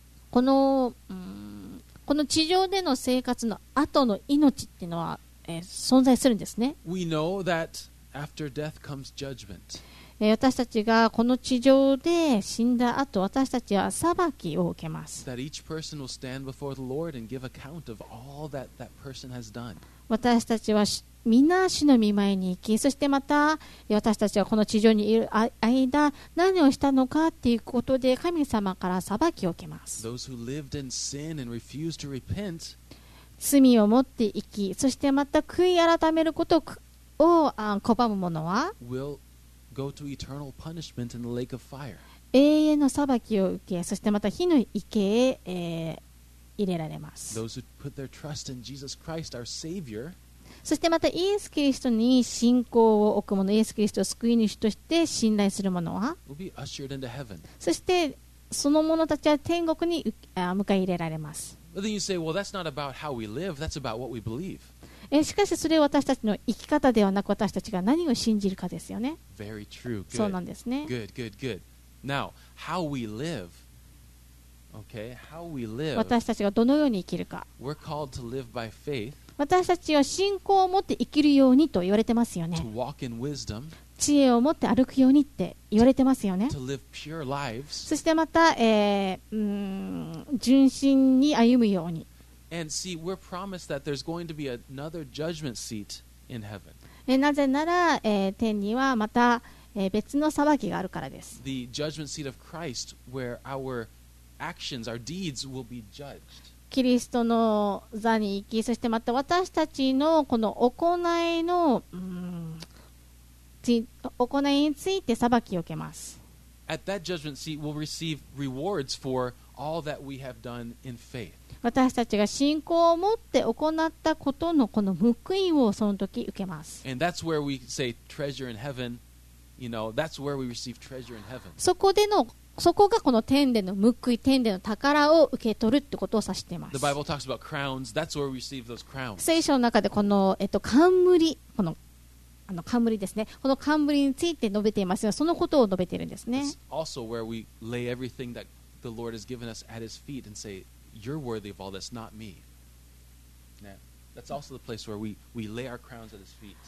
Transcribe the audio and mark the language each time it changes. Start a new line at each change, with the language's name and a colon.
Japanese: この地上での生活の後の命っていうのは、存在するんですね。
English: We know that after death comes judgment.
Japanese: 私たちがこの地上で死んだ後、私たちは裁きを受けます。
English: that each person will stand before the Lord and give account of all that that person has done.
Japanese: 私たちはみんな死の御前に行き、そしてまた私たちはこの地上にいる間、何をしたのかということで神様から裁きを受けます。
English: those who lived in sin and refused to repent.
Japanese: 罪を持って生き、そしてまた悔い改めることを拒む者は
English: Go to eternal punishment in the lake of fire.
Japanese: 永遠の裁きを受け、そしてまた火の池へ、入れられます。
English: Those who put their trust in Jesus Christ, our Savior,
Japanese: そしてまたイエス・キリストに信仰を置く者、イエス・キリストを救い主として信頼する者は、
English: will be ushered into heaven.
Japanese: そしてその者たちは天国に迎え入れられます。
English: But then you say, well, that's not about how we live, that's about what we believe.
Japanese: しかしそれは私たちの生き方ではなく、私たちが何を信じるかですよね。
English: Very true. Good.
Japanese: そうなんですね。
English: Good, good, good. Now, how we live. Okay, how we live.
Japanese: 私たちがどのように生きるか。
English: We're called to live by faith.
Japanese: 私たちは信仰を持って生きるようにと言われてますよね。
English: To walk in wisdom.
Japanese: 知恵を持って歩くようにって言われてますよね。
English: To live pure lives.
Japanese: そしてまた、純真に歩むように。
English: And see, we're promised that there's going to be another judgment seat in heaven.
Japanese: なぜなら、天にはまた、別の裁きがあるからです。
English: The judgment seat of Christ, where our actions, our deeds will be judged.
Japanese: キリストの座に行き、そしてまた私たちのこの行いについて裁きを受けます。
English: At that judgment seat, we'll receive rewards for all that we have done in faith.
Japanese: 私たちが信仰を持って行ったことのこの報いをその時受けます。
English: And that's where we say treasure in heaven. You know, that's where we receive treasure in heaven.
Japanese: そこがこの天での報い、天での宝を受け取るってことを指しています。
English: The Bible talks about crowns. That's where we receive those crowns.
Japanese: 聖書の中でこの、冠、この、あの冠ですね。この冠について述べていますが、そのことを述べているんですね。
English: It's also where we lay everything that the Lord has given us at His feet and say,You're worthy of all this, not me. Yeah. That's also the place where we lay our crowns at His feet.